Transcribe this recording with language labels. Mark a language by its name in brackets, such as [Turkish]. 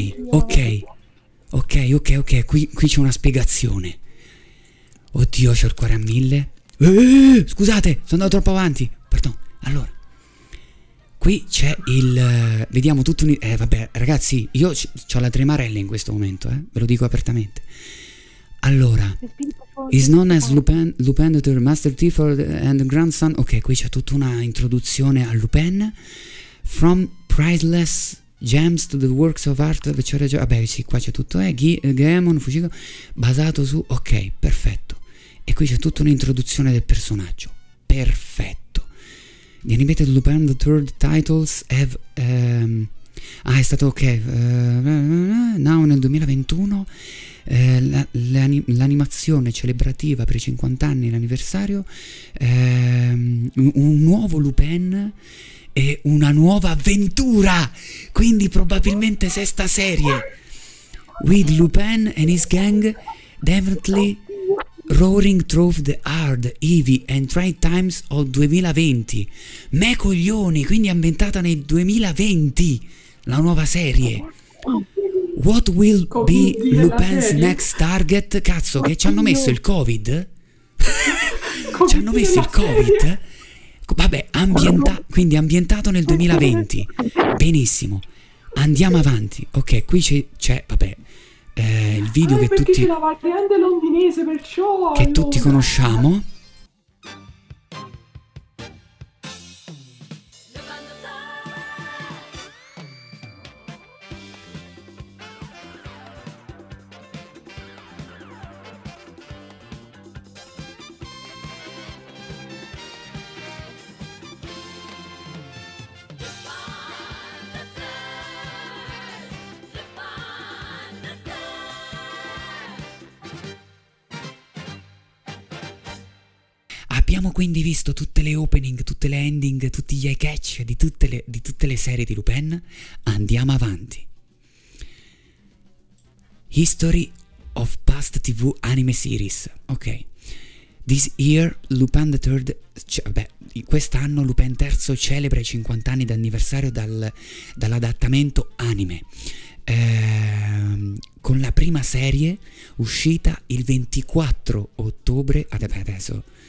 [Italian] Ok, qui c'è una spiegazione. Oddio, c'ho il cuore a mille. Scusate, sono andato troppo avanti. Perdon. Allora, qui c'è il... vediamo tutto un... vabbè, ragazzi, io c'ho la tremarella in questo momento, ve lo dico apertamente. [English] Allora, is known as Lupin the Master Thief and Grandson. [Italian] Ok, qui c'è tutta una introduzione a Lupin. [English] From priceless... Gems to the works of art. [Italian] Vabbè, sì, qua c'è tutto. Gaemon, Fujiko. Basato su. Ok, perfetto. E qui c'è tutta un'introduzione del personaggio. Perfetto. [English] The animated Lupin the Third titles have. [Italian] È stato ok. Now nel 2021. L'animazione celebrativa per i 50 anni, l'anniversario. Un nuovo Lupin. È una nuova avventura, quindi probabilmente sesta serie. [English] With Lupin and his gang definitely roaring through the hard, heavy and trying times of 2020. [Italian] Me coglioni, quindi ambientata nel 2020 la nuova serie. [English] What will be Lupin's next target? [Italian] Cazzo, che ci hanno messo il Covid? Ci hanno messo il Covid? Vabbè, quindi ambientato nel 2020. Benissimo. Andiamo avanti. Ok, qui il video che tutti... c'è la variante londinese, perciò... che allora... tutti conosciamo. Abbiamo quindi visto tutte le opening, tutte le ending, tutti gli eye catch di tutte le serie di Lupin. Andiamo avanti. [English] History of past TV anime series. Ok. This year Lupin the Third... [Italian] quest'anno Lupin III celebra i 50 anni d'anniversario dall'adattamento anime. Con la prima serie uscita il 24 ottobre... adesso...